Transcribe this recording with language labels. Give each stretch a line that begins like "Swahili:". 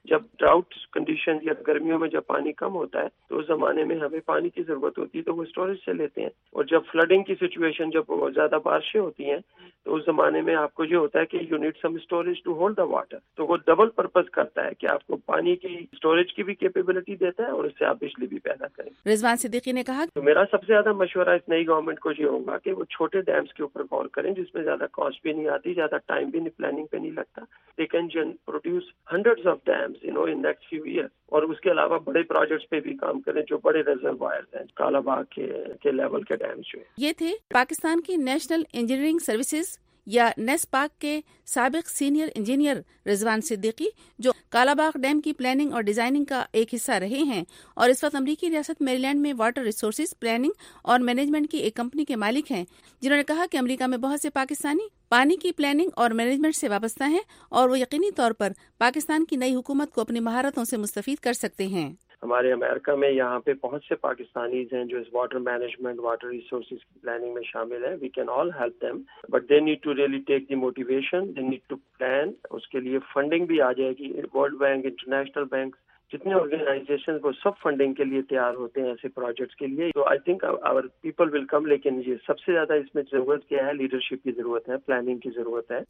Urdu: جب drought condition یا گرمیوں میں جب پانی کم ہوتا ہے تو اس زمانے میں ہمیں پانی کی ضرورت ہوتی ہے تو وہ اسٹوریج سے لیتے ہیں، اور جب فلڈنگ کی سچویشن جب زیادہ بارشیں ہوتی ہیں تو اس زمانے میں آپ کو یہ ہوتا ہے کہ
English: You need some storage to hold the water.
Urdu: تو وہ ڈبل پرپز کرتا ہے کہ آپ کو پانی کی اسٹوریج کی بھی کیپیبلٹی دیتا ہے اور اس سے آپ بجلی بھی پیدا کریں. رضوان صدیقی نے کہا تو میرا سب سے زیادہ مشورہ اس نئی گورنمنٹ کو یہ ہوگا کہ وہ چھوٹے ڈیمس کے اوپر غور کریں جس میں زیادہ کاسٹ بھی نہیں آتی، زیادہ ٹائم بھی پلاننگ پہ نہیں لگتا.
English: They can جن produce hundred of dams you know in next few year.
Urdu: اور اس کے علاوہ بڑے پروجیکٹس پہ بھی کام کریں جو بڑے ریزروائرز ہیں کالا باغ کے لیول کے ڈیمس جو ہیں. یہ تھے پاکستان کی نیشنل انجینئرنگ سروسز یا نیس پاک کے سابق سینئر انجینئر رضوان صدیقی، جو کالاباغ ڈیم کی پلاننگ اور ڈیزائننگ کا ایک حصہ رہے ہیں اور اس وقت امریکی ریاست میری لینڈ میں واٹر ریسورسز پلاننگ اور مینجمنٹ کی ایک کمپنی کے مالک ہیں، جنہوں نے کہا کہ امریکہ میں بہت سے پاکستانی پانی کی پلاننگ اور مینجمنٹ سے وابستہ ہیں اور وہ یقینی طور پر پاکستان کی نئی حکومت کو اپنی مہارتوں سے مستفید کر سکتے ہیں. ہمارے امریکہ میں یہاں پہ بہت سے پاکستانیز ہیں جو اس واٹر مینجمنٹ واٹر ریسورسز کی پلاننگ میں شامل ہیں.
English: We can all help them but they need to really take the motivation, they need to plan.
Urdu: اس کے لیے فنڈنگ بھی آ جائے گی. ورلڈ بینک، انٹرنیشنل بینک، جتنے آرگنائزیشن وہ سب فنڈنگ کے لیے تیار ہوتے ہیں ایسے پروجیکٹس کے لیے. تو
English: I think our people will come.
Urdu: لیکن یہ سب سے زیادہ اس میں ضرورت کیا ہے، لیڈرشپ کی ضرورت ہے، پلاننگ کی ضرورت ہے.